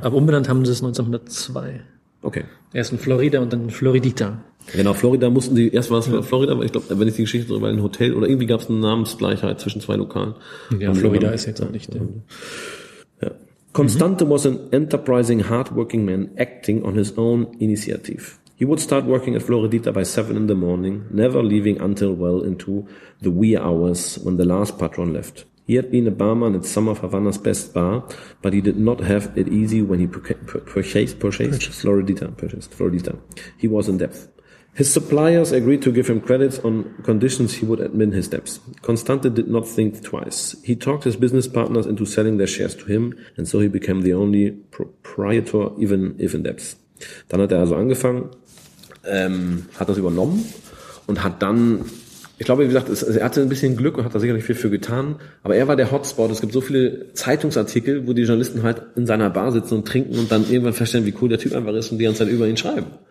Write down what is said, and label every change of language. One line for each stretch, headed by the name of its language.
German: aber umbenannt haben sie es 1902. Okay. Erst in Florida und dann in Floridita. Genau, Florida mussten sie, erst war es ja. Florida, aber ich glaube, wenn ich die Geschichte drüber, ein Hotel oder irgendwie gab es eine Namensgleichheit zwischen zwei Lokalen. Ja, und Florida haben, ist jetzt ja, auch nicht der. Ja.
English: Constante was an enterprising, hardworking man acting on his own initiative. He would start working at Floridita by 7 in the morning, never leaving until well into the wee hours when the last patron left. He had been a barman at some of Havana's best bar, but he did not have it easy when he purchased Floridita. He was in debt. His suppliers agreed to give him credits on conditions he would admit his debts. Constante did not think twice. He talked his business partners into selling their shares to him, and so he became the only proprietor, even if in debt.
German: Dann hat er also angefangen, hat das übernommen und hat dann, ich glaube, wie gesagt, er hatte ein bisschen Glück und hat da sicherlich viel für getan, aber er war der Hotspot. Es gibt so viele Zeitungsartikel, wo die Journalisten halt in seiner Bar sitzen und trinken und dann irgendwann feststellen, wie cool der Typ einfach ist und die ganze Zeit über ihn schreiben.